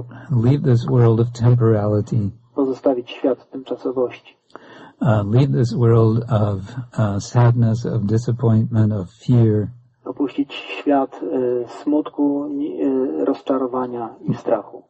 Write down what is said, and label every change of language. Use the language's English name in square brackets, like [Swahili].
[English] Leave this world of temporality. [Polish] Pozostawić świat tymczasowości. [English] Leave this world of sadness, of disappointment, of fear. [Polish] Opuścić świat smutku, rozczarowania i strachu.